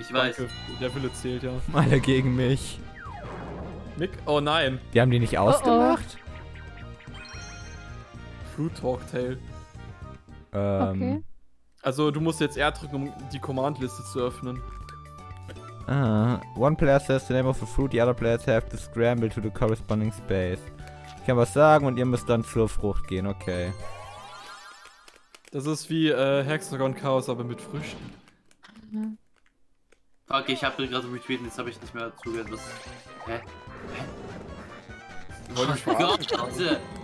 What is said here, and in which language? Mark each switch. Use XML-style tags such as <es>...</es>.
<de>Ich weiß. Danke. Der Wille zählt, ja. Alle gegen mich. Nick? Oh nein. Die haben die nicht ausgemacht? Oh. Fruit Talk Tale. Okay. Also, du musst jetzt R drücken, um die Command-Liste zu öffnen.</de> <en>One player says the name of a fruit, the other players have to scramble to the corresponding space.</en> <de>Ich kann was sagen und ihr müsst dann zur Frucht gehen, okay. Das ist wie Hexagon Chaos, aber mit Früchten. Fuck, okay, ich hab gerade retweeten, jetzt hab ich nicht mehr zugehört, was. Hä? Hä? Ich wollte mich verarschen.</de>